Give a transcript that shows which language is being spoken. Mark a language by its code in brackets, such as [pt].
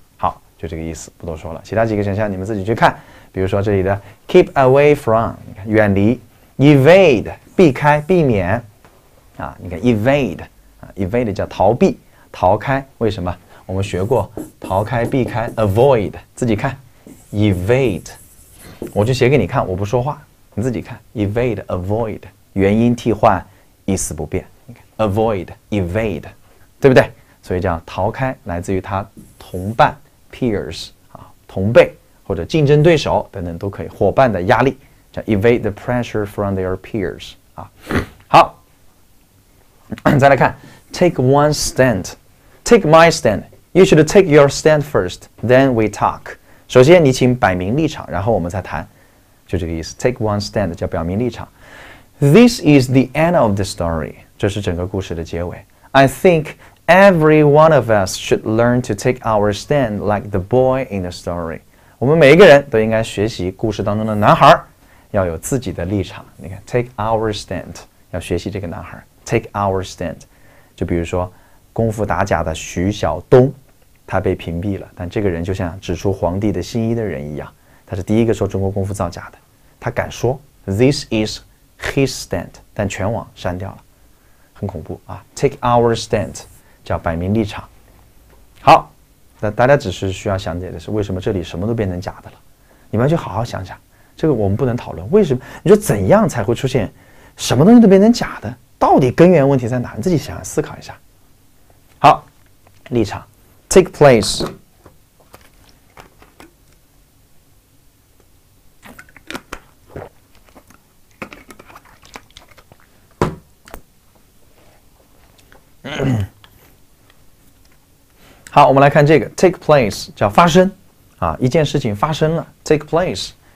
[zh] 好，就这个意思，不多说了。其他几个选项你们自己去看，比如说这里的 [en] keep away from， [zh] 你看远离 ；evade 避开、避免啊，你看 evade 啊 ，evade 叫逃避、逃开。为什么？我们学过逃开、避开 ，avoid 自己看。 evade， 我就写给你看，我不说话，你自己看。 evade， avoid， 原因替换，意思不变。 avoid， evade， 对不对？所以叫逃开，来自于他同伴 peers 啊，同辈或者竞争对手等等都可以，伙伴的压力叫 [en] evade the pressure from their peers [zh] 啊。 [en] 好，再来看 take one stand， take my stand， you should take your stand first， then we talk。 [zh] 首先你请摆明立场，然后我们再谈，就这个意思。 [en] take one stand [zh] 叫表明立场。 [en] This is the end of the story， [zh] 这是整个故事的结尾。 [en] I think every one of us should learn to take our stand like the boy in the story， [zh] 我们每一个人都应该学习故事当中的男孩要有自己的立场。你看 [en] take our stand， [zh] 要学习这个男孩 take our stand。就比如说功夫打假的徐晓东，他被屏蔽了，但这个人就像指出皇帝的新衣的人一样，他是第一个说中国功夫造假的，他敢说 [en] This is his stand， [zh] 但全网删掉了，很恐怖啊。 [en] Take our stand [zh] 叫摆明立场。好，那大家只是需要想解的是为什么这里什么都变成假的了，你们要去好好想想这个，我们不能讨论为什么，你说怎样才会出现什么东西都变成假的，到底根源问题在哪，你自己想想思考一下。好，立场 [en] Take place， [zh] 好，我们来看这个 [en] take place [zh] 叫发生啊，一件事情发生了 take place，